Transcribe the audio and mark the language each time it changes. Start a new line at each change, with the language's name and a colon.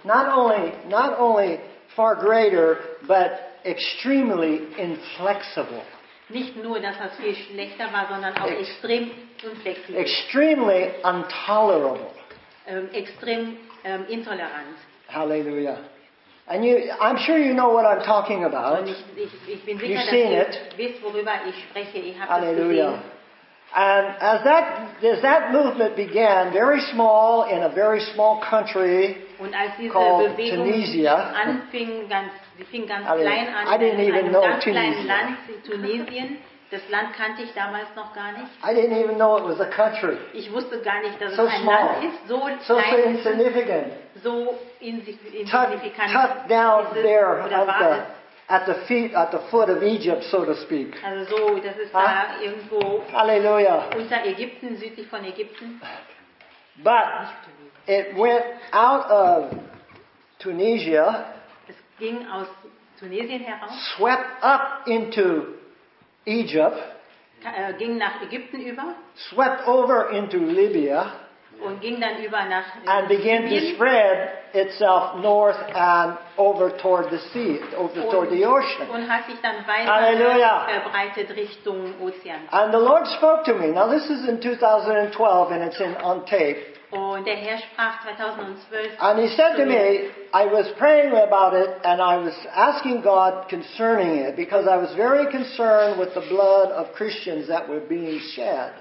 English: Not only far greater, but extremely inflexible.
German: Nicht nur, dass das viel schlechter war, sondern auch extrem unflexibel.
English: Extremely intolerable.
German: Extrem intolerant. Halleluja.
English: And I'm sure you know what I'm talking about.
German: Ich bin sicher, dass ihr wisst, worüber ich spreche. Ich habe es gesehen.
English: And as that movement began, very small, in a very small country
German: und als diese
English: called
German: Bewegung
English: Tunisia.
German: Anfing ganz klein an, in einem ganz kleinen Land, Tunesien. Das Land kannte ich damals noch gar nicht.
English: I didn't even know it was a country.
German: Ich wusste gar nicht, dass
English: so
German: es ein
English: small.
German: Land ist. So klein,
English: so insignificant.
German: So insignifikant.
English: Tucked down there at the foot of Egypt, so to speak.
German: Also so, das ist da irgendwo Halleluja. Unter Ägypten, südlich von Ägypten.
English: But it went out of Tunisia.
German: Es ging aus Tunesien heraus.
English: Swept up into Egypt.
German: Ging nach Ägypten über.
English: Swept over into Libya.
German: Und ging dann über nach
English: and began
German: Libyen.
English: To spread itself north and over toward the sea, over toward the ocean.
German: Und hat sich dann weiter verbreitet Richtung Ozean.
English: And the Lord spoke to me. Now this is in 2012 and it's on tape.
German: Und der Herr sprach 2012.
English: And he said to me, I was praying about it and I was asking God concerning it because I was very concerned with the blood of Christians that were being shed.